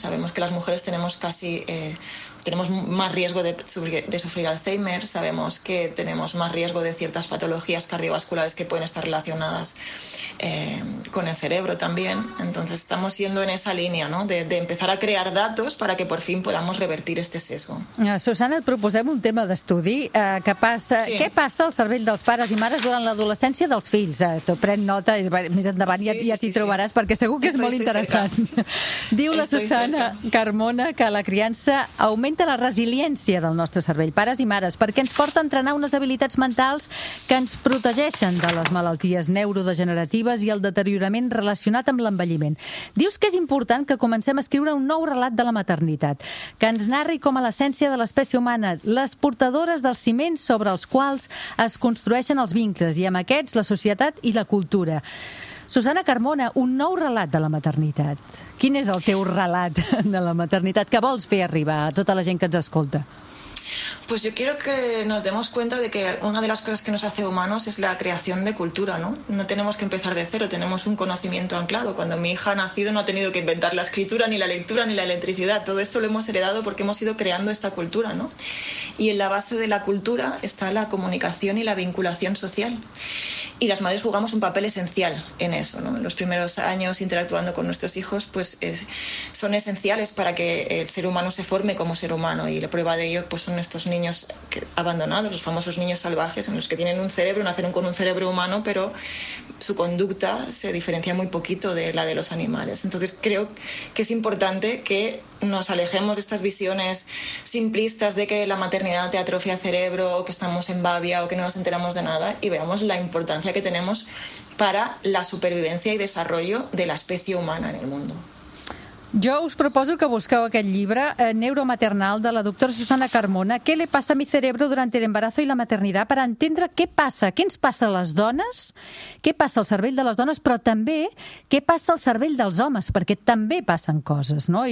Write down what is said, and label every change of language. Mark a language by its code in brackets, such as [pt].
[es] Sabemos que las mujeres tenemos casi tenemos más riesgo de sufrir Alzheimer, sabemos que tenemos más riesgo de ciertas patologías cardiovasculares que pueden estar relacionadas con el cerebro también. Entonces estamos yendo en esa línia, ¿no? De empezar a crear datos para que por fin podamos revertir este sesgo. [ca] Susana, et proposem un tema d'estudi. Què passa al cervell dels pares i mares durant l'adolescència dels fills? T'ho pren nota, més endavant t'hi trobaràs, perquè segur que és molt interessant. Diu la Susana Carmona que la criança augmenta la resiliència del nostre cervell, pares i mares, perquè ens porta a entrenar unes habilitats mentals que ens protegeixen de les malalties neurodegeneratives i el deteriorament relacionat amb l'envelliment. Dius que és important que comencem a escriure un nou relat de la maternitat, que ens narri com a l'essència de l'espècie humana, les portadores dels ciments sobre els quals es construeixen els vincles, i amb aquests la societat i la cultura. Susana Carmona, un nou relat de la maternitat. Quin és el teu relat de la maternitat que vols fer arribar a tota la gent que ens escolta? [es] Pues yo quiero que nos demos cuenta de que una de las cosas que nos hace humanos es la creación de cultura, ¿no? No tenemos que empezar de cero, tenemos un conocimiento anclado. Cuando mi hija ha nacido no ha tenido que inventar la escritura, ni la lectura, ni la electricidad. Todo esto lo hemos heredado porque hemos ido creando esta cultura, ¿no? Y en la base de la cultura está la comunicación y la vinculación social. Y las madres jugamos un papel esencial en eso, ¿no? En los primeros años interactuando con nuestros hijos, pues son esenciales para que el ser humano se forme como ser humano. Y la prueba de ello, pues, son estos niños abandonados, los famosos niños salvajes, en los que tienen un cerebro, nacieron con un cerebro humano, pero su conducta se diferencia muy poquito de la de los animales. Entonces creo que es importante que nos alejemos de estas visiones simplistas de que la maternidad te atrofia el cerebro, o que estamos en babia, o que no nos enteramos de nada, y veamos la importancia que tenemos para la supervivencia y desarrollo de la especie humana en el mundo. [ca] Jo us proposo que busqueu aquest llibre, Neuromaternal, de la doctora Susana Carmona, [es] Què le pasa a mi cerebro durante el embarazo y la maternidad, [ca] per entendre què passa, què ens passa a les dones, què passa al cervell de les dones, però també què passa al cervell dels homes, perquè també passen coses, no?